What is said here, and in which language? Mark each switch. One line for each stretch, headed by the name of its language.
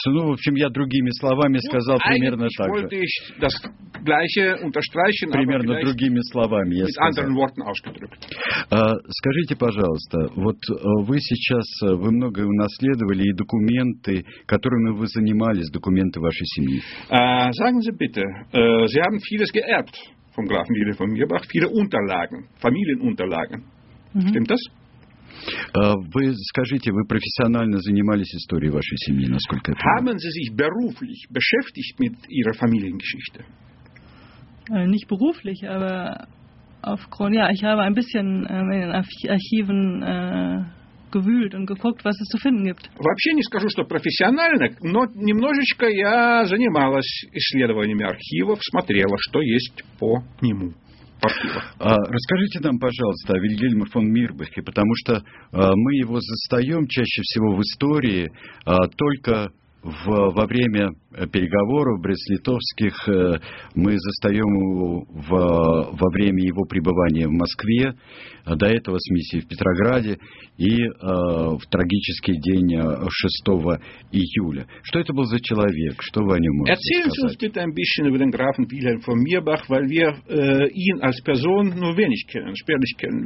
Russian: Да. Ну, в общем, я другими словами сказал примерно так же. Примерно другими словами я сказал. Скажите, пожалуйста, вот вы сейчас, вы многое унаследовали, и документы, которыми вы занимались, документы вашей семьи.
German: Sagen Sie bitte, Sie haben vieles geerbt vom Grafen Wilhelm von Mirbach, viele Unterlagen, Familienunterlagen. Mm-hmm. Stimmt das?
Russian: Вы скажите, вы профессионально занимались историей вашей семьи, насколько это?
German: Haben Sie sich beruflich beschäftigt mit Ihrer Familiengeschichte? Nicht beruflich, aber aufgrund, ja, ich habe ein bisschen in den Archiven gewühlt und geguckt, was es zu finden gibt.
Russian: Вообще не скажу, что профессионально, но немножечко я занималась исследованиями архивов, смотрела, что есть по нему. Расскажите нам, пожалуйста, о Вильгельме фон Мирбахе, потому что мы его застаем чаще всего в истории только во время переговоров Брест-Литовских, мы застаем его во время его пребывания в Москве, до этого с миссией в Петрограде и в трагический день 6 июля. Что это был за человек? Что вы о нем можете сказать?
German: Erzählen Sie uns bitte ein bisschen über den Grafen Wilhelm von Mirbach, weil wir ihn als Person nur wenig kennen, spärlich kennen.